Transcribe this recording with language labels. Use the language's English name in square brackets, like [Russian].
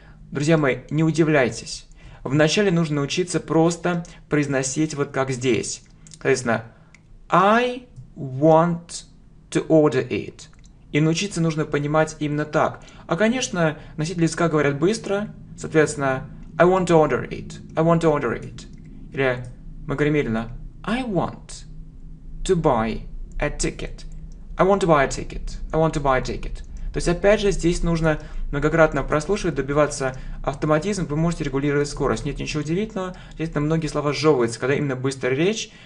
[Russian] Друзья мои, не удивляйтесь. Вначале нужно научиться просто произносить вот как здесь. Соответственно, [English] I want to order it. [Russian] И научиться нужно понимать именно так. А, конечно, носители языка говорят быстро. [English] Соответственно, I want to order it. I want to order it. [Russian] Или мы говорим медленно. [English] I want to buy a ticket. I want to buy a ticket. I want to buy a ticket. [Russian] То есть, опять же, здесь нужно многократно прослушивать, добиваться автоматизма. Вы можете регулировать скорость. Нет ничего удивительного. Здесь на многие слова сжевываются, когда именно быстрая речь.